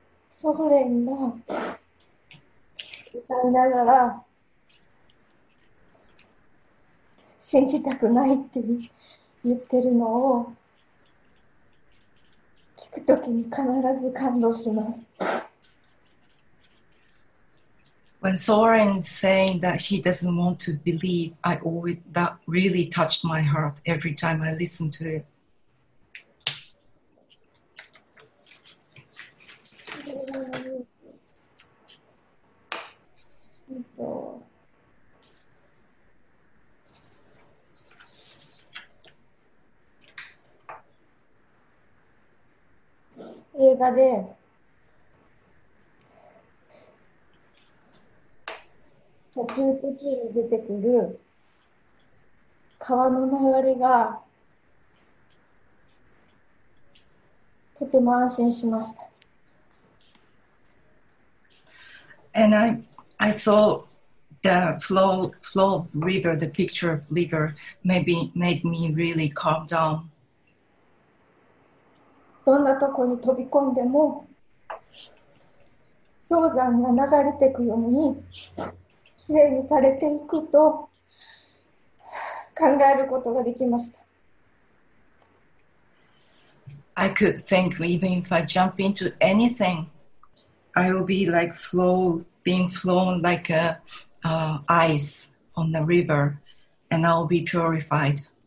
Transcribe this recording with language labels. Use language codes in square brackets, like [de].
[ja] ソフレンが歌いながら信じたくないって言ってるのを聞くときに必ず感動します。 [en] When Soren is saying that he doesn't want to believe, I always, that really touched my heart every time I listened to it. [ja] 映画で途中途中に出てくる川の流れがとても安心しました。 [en] And I saw the flow of river, the picture of river, maybe made me really calm down. [ja] どんなとこに飛び込んでも氷山が流れていくようにきれいにされていくと考えることができました。 [en] I could think even if I jump into anything, I will be like flow. Being flown like ice on the river, and I'll be purified.